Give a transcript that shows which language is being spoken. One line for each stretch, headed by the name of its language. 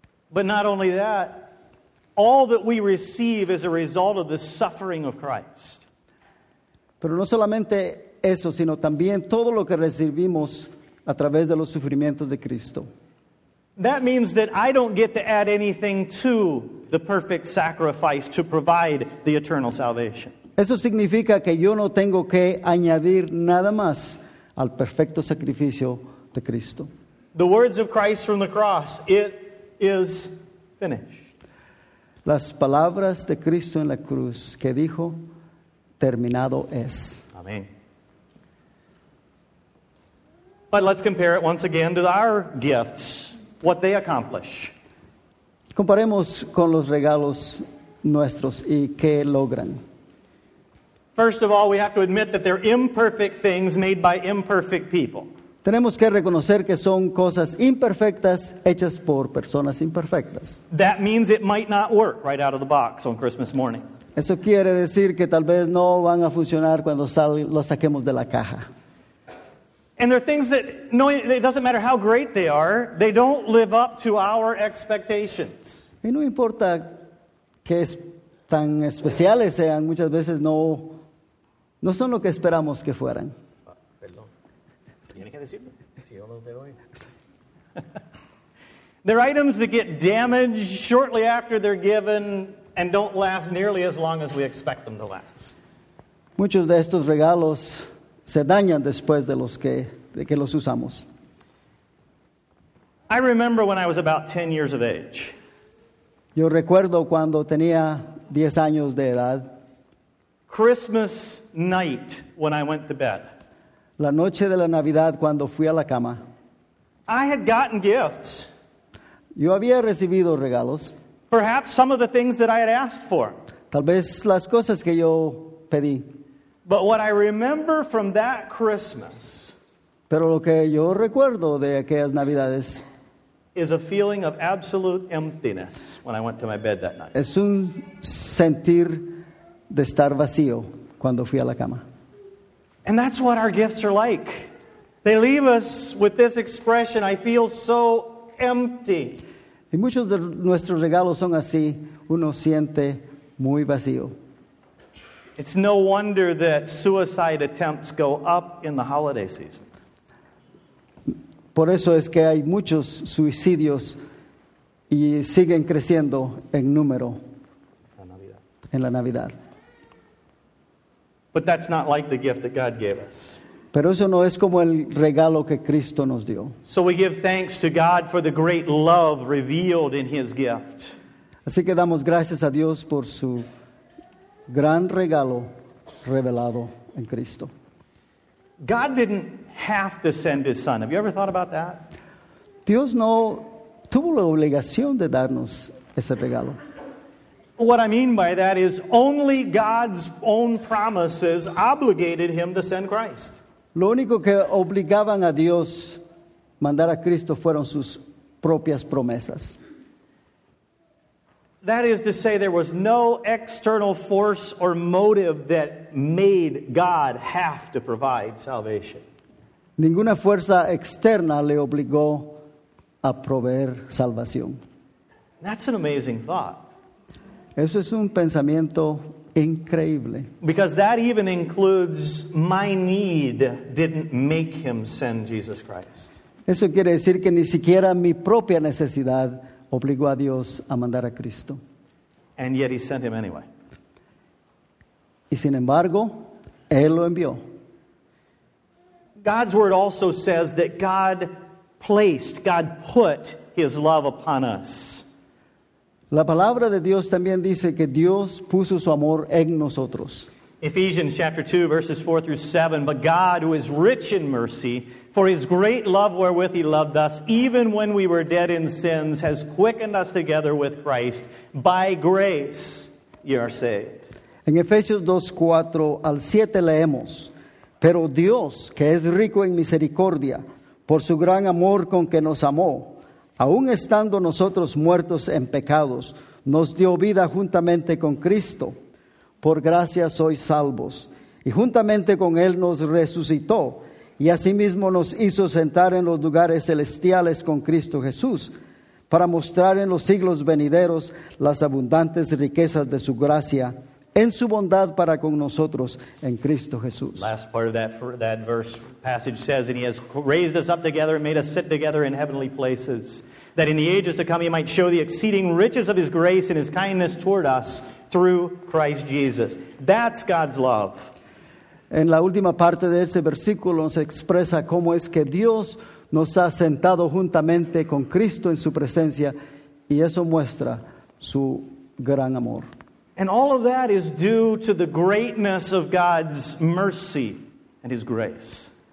English: But not only that, all that we receive is a result of the suffering of Christ.
Spanish: Pero no solamente eso, sino también todo lo que recibimos a través de los sufrimientos de Cristo.
English: That means that I don't get to add anything to the perfect sacrifice to provide the eternal salvation.
Spanish: Eso significa que yo no tengo que añadir nada más al perfecto sacrificio de Cristo.
English: The words of Christ from the cross, it is finished.
Spanish: Las palabras de Cristo en la cruz que dijo, terminado es. Amén.
English: But let's compare it once again to our gifts, what they accomplish.
Spanish: Comparemos con los regalos nuestros y qué logran.
English: First of all, we have to admit that they're imperfect things made by imperfect people.
Spanish: Tenemos que reconocer que son cosas imperfectas hechas por personas imperfectas.
English: That means it might not work right out of the box on Christmas morning.
Spanish: Eso quiere decir que tal vez no van a funcionar cuando lo saquemos de la caja.
English: And there are things that, no, it doesn't matter how great they are, they don't live up to our expectations.
Spanish: Y no importa qué es tan especiales sean, muchas veces no son lo que esperamos que fueran.
English: They're items that get damaged shortly after they're given and don't last nearly as long as we expect them to last.
Spanish: Muchos de estos regalos se dañan después de que los usamos.
English: I remember when I was about 10 years of age.
Spanish: Yo recuerdo cuando tenía 10 años de edad.
English: Christmas night when I went to bed.
Spanish: La noche de la Navidad cuando fui a la cama.
English: I had gotten gifts.
Spanish: Yo había recibido regalos.
English: Perhaps some of the things that I had asked for.
Spanish: Tal vez las cosas que yo pedí.
English: But what I remember from that Christmas.
Spanish: Pero lo que yo recuerdo de aquellas Navidades.
English: Is a feeling of absolute emptiness when I went to my bed that night.
Spanish: Es un sentir de estar vacío cuando fui a la cama.
English: And that's what our gifts are like. They leave us with this expression, I feel so empty.
Spanish: Y muchos de nuestros regalos son así, uno siente muy vacío.
English: It's no wonder that suicide attempts go up in the holiday season.
Spanish: Por eso es que hay muchos suicidios y siguen creciendo en número en la Navidad.
English: But that's not like the gift that God gave us.
Spanish: Pero eso no es como el regalo que Cristo nos dio.
English: So we give thanks to God for the great love revealed in his gift.
Spanish: Así que damos gracias a Dios por su gran regalo revelado en Cristo.
English: God didn't have to send his son. Have you ever thought about that?
Spanish: Dios no tuvo la obligación de darnos ese regalo.
English: What I mean by that is only God's own promises obligated him to send Christ.
Spanish: Lo único que obligaban a Dios mandar a Cristo fueron sus propias promesas.
English: That is to say, there was no external force or motive that made God have to provide salvation.
Spanish: Ninguna fuerza externa le obligó a proveer salvación.
English: That's an amazing thought.
Spanish: Eso es un pensamiento increíble.
English: Because that even includes my need didn't make him send Jesus Christ.
Spanish: Eso quiere decir que ni siquiera mi propia necesidad obligó a Dios a mandar a Cristo.
English: And yet he sent him anyway.
Spanish: Y sin embargo, él lo envió.
English: God's word also says that God put his love upon us.
Spanish: La palabra de Dios también dice que Dios puso su amor en nosotros.
English: Ephesians chapter 2, verses 4 through 7. But God, who is rich in mercy, for his great love wherewith he loved us, even when we were dead in sins, has quickened us together with Christ. By grace you are saved.
Spanish: En Efesios 2, 4 al 7 leemos. Pero Dios, que es rico en misericordia, por su gran amor con que nos amó, aun estando nosotros muertos en pecados, nos dio vida juntamente con Cristo. Por gracia sois salvos. Y juntamente con Él nos resucitó, y asimismo nos hizo sentar en los lugares celestiales con Cristo Jesús, para mostrar en los siglos venideros las abundantes riquezas de su gracia en su bondad para con nosotros en Cristo Jesús.
English: Last part of that verse passage says, and he has raised us up together and made us sit together in heavenly places, that in the ages to come he might show the exceeding riches of his grace and his kindness toward us through Christ Jesus. That's God's love.
Spanish: En la última parte de ese versículo nos expresa cómo es que Dios nos ha sentado juntamente con Cristo en su presencia, y eso muestra su gran amor.
English: And all of that is due to the greatness of God's mercy and his grace.